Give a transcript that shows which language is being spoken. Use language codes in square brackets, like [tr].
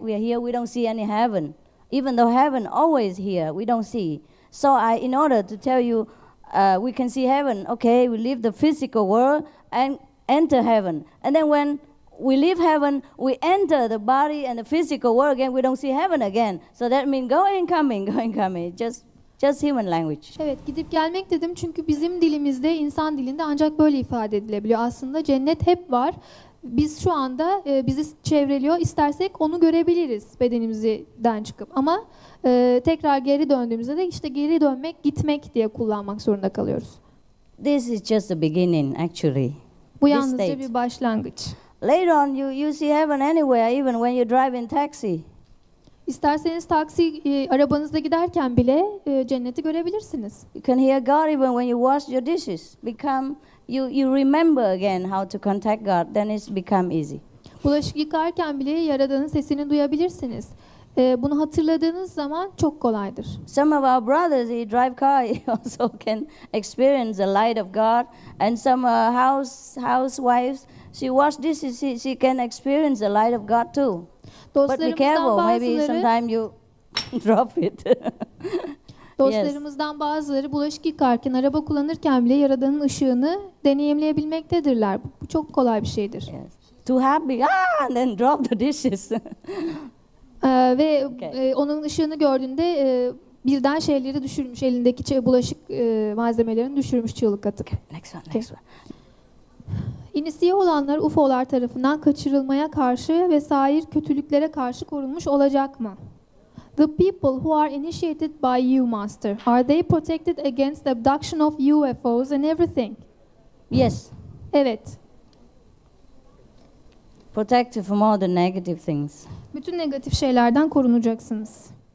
[en] We are here, we don't see any heaven. Even though heaven always here, we don't see. So I, in order to tell you we can see heaven, okay, we leave the physical world and enter heaven. And then when we leave heaven, we enter the body and the physical world again, we don't see heaven again. So that means going, coming, going, coming. Just human language. [tr] Evet, gidip gelmek dedim çünkü bizim dilimizde, insan dilinde ancak böyle ifade edilebiliyor. Aslında cennet hep var. Biz şu anda bizi çevreliyor. İstersek onu görebiliriz bedenimizden çıkıp. Ama tekrar geri döndüğümüzde de işte geri dönmek, gitmek diye kullanmak zorunda kalıyoruz. [en] This is just the beginning actually. [tr] Bu yalnızca bir başlangıç. [en] Later on you see heaven anywhere, even when you drive in taxi. [tr] İsterseniz taksi arabanızda giderken bile cenneti görebilirsiniz. [en] You can hear God even when you wash your dishes. You remember again how to contact God, then it's become easy. [tr] Bulaşık yıkarken bile Yaradan'ın sesini duyabilirsiniz. Bunu hatırladığınız zaman çok kolaydır. [en] Some of our brothers, he drive car, he also can experience the light of God. And some housewives, she wash dishes, she can experience the light of God too. But be careful, maybe sometimes you drop it. [tr] Dostlarımızdan bazıları bulaşık yıkarken, araba kullanırken bile Yaradan'ın ışığını deneyimleyebilmektedirler. Bu çok kolay bir şeydir. [en] Yes. Too happy, and then drop the dishes. [tr] Ve okay. Onun ışığını gördüğünde birden şeyleri düşürmüş, elindeki bulaşık malzemelerini düşürmüş çığlık atıp. [en] Okay. Next one. [tr] İnisiye olanlar UFO'lar tarafından kaçırılmaya karşı vesaire kötülüklere karşı korunmuş olacak mı? [en] The people who are initiated by you, Master, are they protected against the abduction of UFOs and everything? Yes. [tr] Evet. [en] Protected from all the negative things. [tr] Bütün negatif şeylerden korunacaksınız.